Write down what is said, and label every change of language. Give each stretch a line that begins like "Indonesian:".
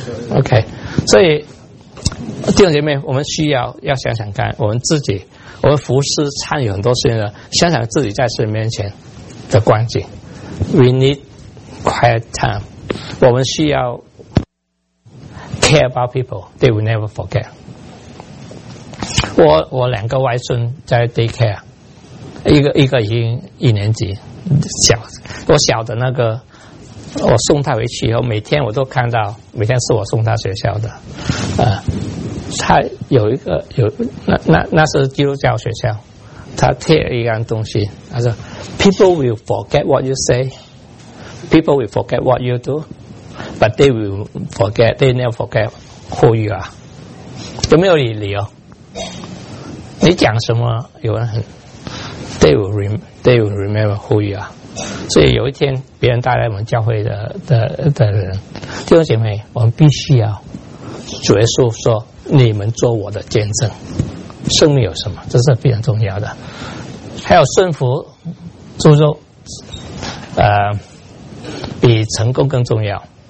Chinese: OK， 所以弟兄姐妹，我们需要要想想看，我们自己，我们服事参与很多事情的，想想自己在神面前的光景。
English: We need quiet time。
Chinese: 我们需要
English: care about people， they will never forget。
Chinese: 我两个外孙在 daycare， 一个已经一年级，小，我小的那个。我送他回去以后，每天我都看到，每天是我送他学校的，他有一个有那是基督教学校，他贴了一样东西，他说 ：
English: “People will forget what you say, people will forget what you do, but they will forget, they never forget who you are。”
Chinese: 有没有理由？你讲什么，有人很
English: ，they will remember who you are。
Chinese: 所以有一天别人带来我们教会 的人，弟兄姐妹，我们必须要主耶稣说，你们做我的见证，生命有什么，这是非常重要的。还有顺服诸周，比成功更重要。